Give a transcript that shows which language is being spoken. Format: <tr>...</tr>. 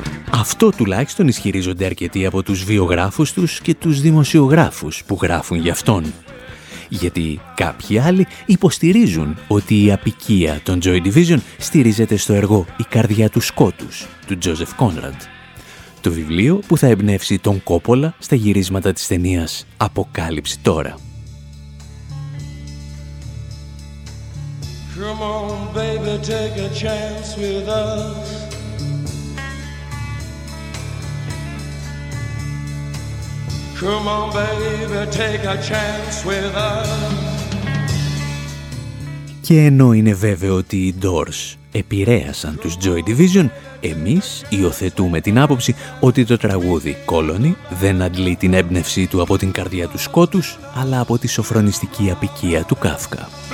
<el>Αυτό τουλάχιστον ισχυρίζονται αρκετοί από τους βιογράφους τους και τους δημοσιογράφους που γράφουν γι' αυτόν. Γιατί κάποιοι άλλοι υποστηρίζουν ότι η αποικία των Joy Division στηρίζεται στο έργο «Η καρδιά του Σκότους», του Τζόζεφ Κόνραντ. Το βιβλίο που θα εμπνεύσει τον Κόπολα στα γυρίσματα της ταινίας «Αποκάλυψη τώρα».</el> <en>Come on, baby, take a chance with us. Come on, baby, take a chance with us.</en> <el>Και ενώ είναι βέβαιο ότι οι Doors επηρέασαν τους Joy Division, εμείς υιοθετούμε την άποψη ότι το τραγούδι Colony δεν αντλεί την έμπνευσή του από την καρδιά του Σκότους, αλλά από τη σοφρονιστική απικία του Κάφκα.</el>